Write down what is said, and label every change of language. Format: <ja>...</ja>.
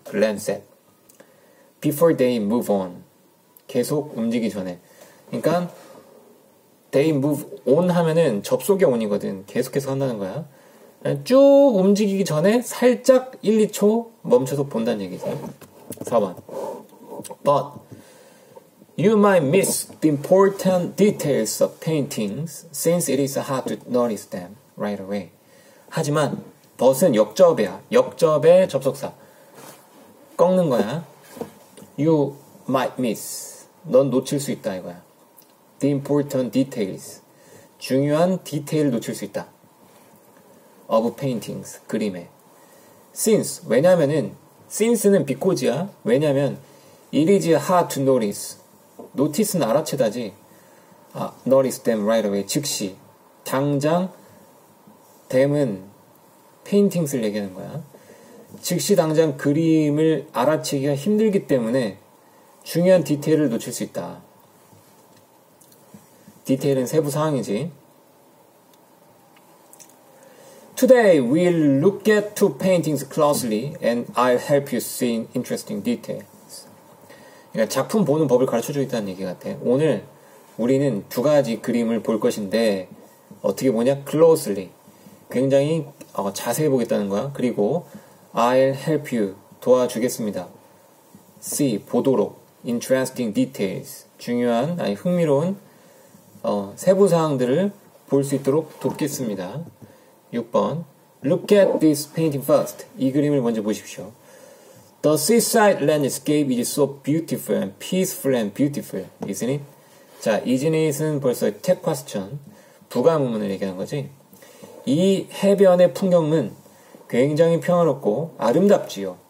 <en>Glance at. Before they move on.</en> <ko>계속 움직이기 전에. 그러니까</ko> <en>they move on</en> <ko>하면은 접속의 on이거든. 계속해서 한다는 거야. 쭉 움직이기 전에 살짝 1, 2초 멈춰서 본다는 얘기지. 4번.</ko> <en>But you might miss the important details of paintings since it is hard to notice them right away.</en> <ko>하지만, but은 역접이야. 역접의 접속사. 꺾는 거야.</ko> <en>You might miss.</en> <ko>넌 놓칠 수 있다, 이거야.</ko> <en>The important details.</en> <ko>중요한 디테일을 놓칠 수 있다.</ko> <en>Of paintings.</en> <ko>그림에. Since. 왜냐면은, since는 because야. 왜냐면,</ko> <en>it is hard to notice.</en> <ko>Notice는 알아채다지. 아,</ko> <en>notice them right away.</en> <ko>즉시. 당장, them은 paintings를 얘기하는 거야. 즉시 당장 그림을 알아채기가 힘들기 때문에 중요한 디테일을 놓칠 수 있다. 디테일은 세부 사항이지.</ko> <en>Today we'll look at two paintings closely and I'll help you see interesting details.</en> <ko>그러니까 작품 보는 법을 가르쳐 주겠다는 얘기 같아. 오늘 우리는 두 가지 그림을 볼 것인데, 어떻게 보냐?</ko> <en>closely.</en> <ko>굉장히 자세히 보겠다는 거야. 그리고</ko> <en>I'll help you.</en> <ko>도와주겠습니다. See, 보도록.</ko> <en>Interesting details.</en> <ko>중요한, 아니, 흥미로운, 세부 사항들을 볼수 있도록 돕겠습니다.</ko> <en>6번. Look at this painting first.</en> <ko>이 그림을 먼저 보십시오.</ko> <en>The seaside landscape is so beautiful and peaceful and beautiful, isn't it?</en> <ko>자, isn't it은 벌써 tag question, 부가문을 얘기하는 거지. 이 해변의 풍경은 굉장히 평화롭고 아름답지요.</ko>